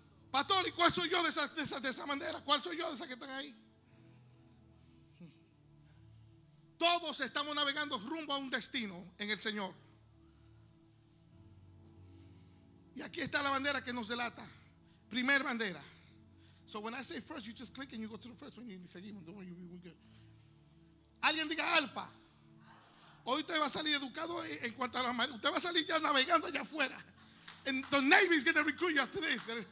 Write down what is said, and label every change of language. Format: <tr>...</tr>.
<es>Pastor, ¿y cuál soy yo de esa bandera? ¿Cuál soy yo de esas que están ahí? Todos estamos navegando rumbo a un destino en el Señor. Y aquí está la bandera que nos delata. Primer bandera.</es> <en>So when I say first, you just click and you go to the first one.</en> <es>Y seguimos.</es> <en>Don't worry, you'll be good.</en> <es>Alguien diga alfa. Hoy usted va a salir educado en cuanto a la marina. Usted va a salir ya navegando allá afuera.</es> <en>And the Navy is going to recruit you after this.</en>